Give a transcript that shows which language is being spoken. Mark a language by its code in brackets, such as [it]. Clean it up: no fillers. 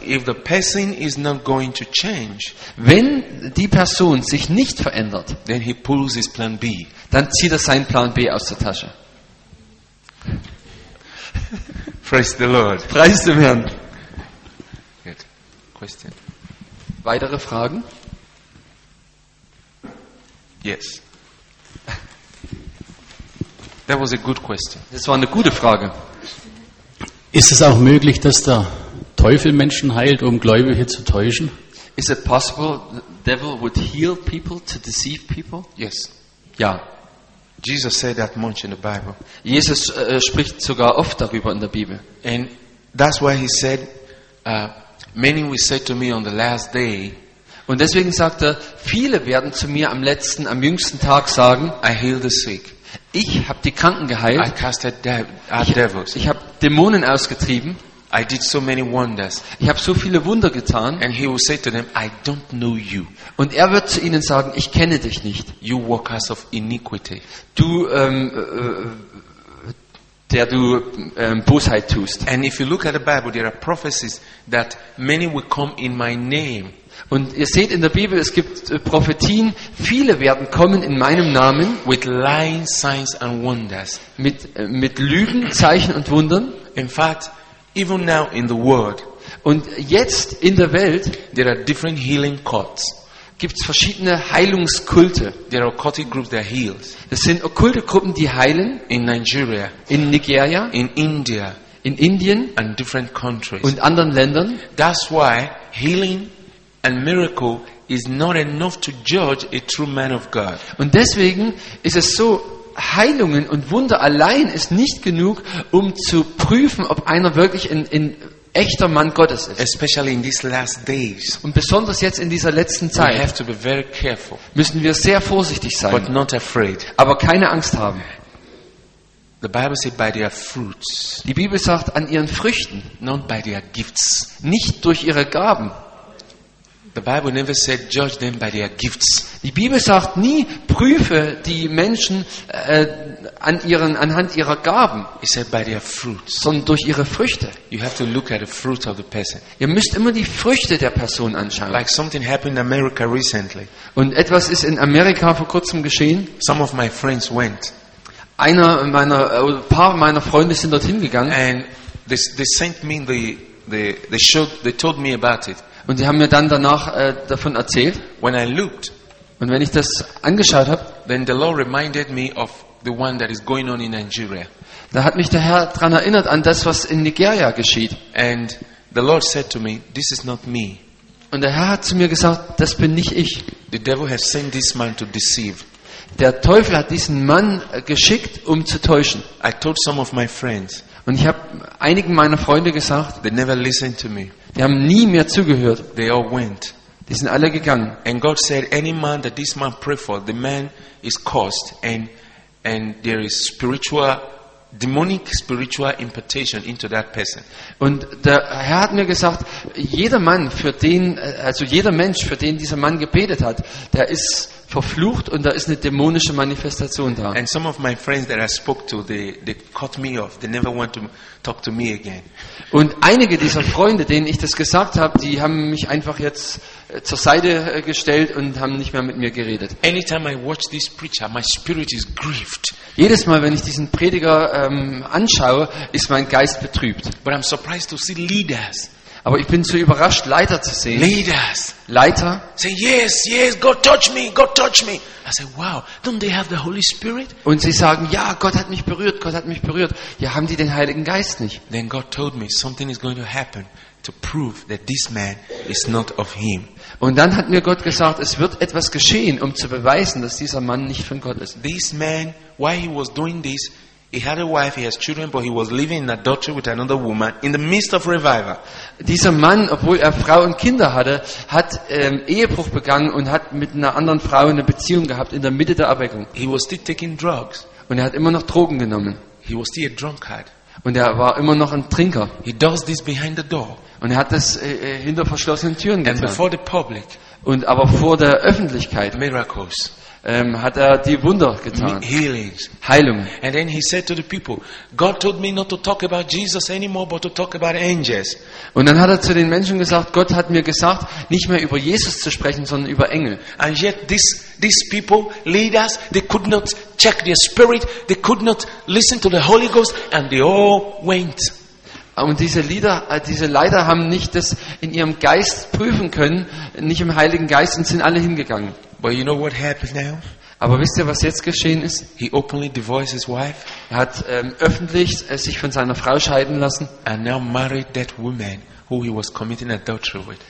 [en] If the person is not going to change, [de] wenn die Person sich nicht verändert, [en] then he pulls his plan B. [de] Dann zieht er seinen Plan B aus der Tasche. [en] Praise the Lord. [de] Preis dem Herrn. [en] Good. Question. [de] Weitere Fragen? [en] Yes. That was a good question. [de] Das war eine gute Frage. Ist es auch möglich, dass der Teufel Menschen heilt, um Gläubige zu täuschen? [en] Is it possible the devil would heal people to deceive people? Yes. [de] Ja. [en] Jesus said that much in the Bible. [de] Jesus spricht sogar oft darüber in der Bibel. [en] And that's why he said, many will say to me on the last day. [de] Und deswegen sagt er, viele werden zu mir am letzten, am jüngsten Tag sagen, [en] I heal the sick. [de] Ich habe die Kranken geheilt. [en] I cast out devils. [de] Ich habe Dämonen ausgetrieben. [en] I did so many wonders. [de] Ich habe so viele Wunder getan. [en] And he will say to them, I don't know you. [de] Und er wird zu ihnen sagen, ich kenne dich nicht. [en] You workers of iniquity. [de] Du der du Bosheit tust. [en] And if you look at the Bible, there are prophecies that many will come in my name. [de] Und ihr seht in der Bibel, es gibt Prophetien, viele werden kommen in meinem Namen, [en] with lying signs and wonders. [de] Mit Lügen, Zeichen und Wundern. [en] In fact, even now in the world, [de] und jetzt in der Welt, [en] there are different healing cults. [de] Gibt's verschiedene Heilungskulte. [en] There are occultic groups that heals. [de] Es sind okkulte Gruppen, die heilen. [en] In Nigeria. [de] In Nigeria. [en] In India. [de] In Indien. [en] And different countries. [de] Und anderen Ländern. [en] That's why healing and miracle is not enough to judge a true man of God. [de] Und deswegen ist es so, Heilungen und Wunder allein ist nicht genug, um zu prüfen, ob einer wirklich ein echter Mann Gottes ist. [en] Especially in these last days. [de] Und besonders jetzt in dieser letzten Zeit. [en] We have to be very careful. [de] Müssen wir sehr vorsichtig sein. [en] But not afraid. [de] Aber keine Angst haben. [en] The Bible says by their fruits. [de] Die Bibel sagt an ihren Früchten. [en] Not by their gifts. [de] Nicht durch ihre Gaben. [en] The Bible never said judge them by their gifts. [de] Die Bibel sagt nie, prüfe die Menschen anhand ihrer Gaben. [en] It said by their fruits. [de] Sondern durch ihre Früchte. [en] You have to look at the fruits of the person. [de] Ihr müsst immer die Früchte der Person anschauen. [en] Like something happened in America recently. [de] Und etwas ist in Amerika vor kurzem geschehen. [en] Some of my friends went. [de] Paar meiner Freunde sind dorthin gegangen. [en] And they sent me they told me about it. [de] Und sie haben mir dann danach davon erzählt. [en] When I looked, [de] und wenn ich das angeschaut habe, [en] then the Lord reminded me of the one that is going on in Nigeria. [de] Da hat mich der Herr dran erinnert an das, was in Nigeria geschieht. [en] And the Lord said to me, this is not me. [de] Und der Herr hat zu mir gesagt, das bin nicht ich. [en] The devil has sent this man to deceive. [de] Der Teufel hat diesen Mann geschickt, um zu täuschen. [en] I told some of my friends. [de] Und ich habe einigen meiner Freunde gesagt, [en] they never listened to me. [de] Die haben nie mehr zugehört. [en] They all went. [de] Die sind alle gegangen. [en] And God said, any man that this man pray for, the man is cursed, and there is demonic spiritual impartation into that person. [de] Und der Herr hat mir gesagt, jeder Mensch, für den dieser Mann gebetet hat, der ist verflucht und da ist eine dämonische Manifestation da. [en] And some of my friends that I spoke to, they cut me off. They never want to talk to me again. [de] Und einige dieser Freunde, denen ich das gesagt habe, die haben mich einfach jetzt zur Seite gestellt und haben nicht mehr mit mir geredet. [en] Anytime I watch this preacher, my spirit is grieved. [de] Jedes Mal, wenn ich diesen Prediger anschaue, ist mein Geist betrübt. [en] But I'm surprised to see leaders. [de] Aber ich bin so überrascht, Leiter zu sehen. [en] Leaders. [de] Leiter. [en] Say yes, yes, God touch me, God touch me. I say, wow, don't they have the Holy Spirit? [de] Und sie sagen, ja, Gott hat mich berührt, Gott hat mich berührt. Ja, haben die den Heiligen Geist nicht? [en] Then God told me something is going to happen to prove that this man is not of him. [de] Und dann hat mir Gott gesagt, es wird etwas geschehen, um zu beweisen, dass dieser Mann nicht von Gott ist. [en] This man, why he was doing this? He had a wife, he has children, but he was living in adultery with another woman in the midst of revival. [de] Dieser Mann, obwohl er Frau und Kinder hatte, hat Ehebruch begangen und hat mit einer anderen Frau eine Beziehung gehabt in der Mitte der Erweckung. [en] He was still taking drugs. [de] Und er hat immer noch Drogen genommen. [en] He was still a drunkard. [de] Und er war immer noch ein Trinker. [en] He does this behind the door. [de] Und er hat das hinter verschlossenen Türen getan. [en] And before the public. [de] Und aber vor der Öffentlichkeit. [en] Miracles. [de] Hat er die Wunder getan. Heilung. [en] And then he said to the people, God told me not to talk about Jesus anymore, but to talk about angels. [de] Und dann hat er zu den Menschen gesagt, Gott hat mir gesagt, nicht mehr über Jesus zu sprechen, sondern über Engel. [en] And yet these people, leaders, they could not check their spirit, they could not listen to the Holy Ghost, and they all went. [de] Und diese Leiter haben nicht das in ihrem Geist prüfen können, nicht im Heiligen Geist, und sind alle hingegangen. [en] But you know what happened now? [de] Aber wisst ihr, was jetzt geschehen ist? [en] He openly divorced his wife. [de] Er hat öffentlich sich von seiner Frau scheiden lassen. [en] And now married that woman who he was committing adultery with.